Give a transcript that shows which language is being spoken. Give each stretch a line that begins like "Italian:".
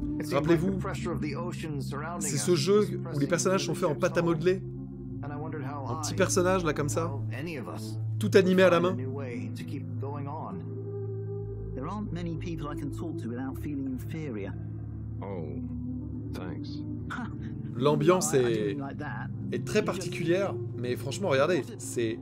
French: Rappelez-vous, c'est ce jeu où les personnages sont faits en pâte à modeler. Un petit personnage là comme ça. Tout animé à la main.
English: There aren't many people I can talk to without feeling inferior. Oh, thanks.
French: L'ambiance est très particulière, mais franchement, regardez, c'est...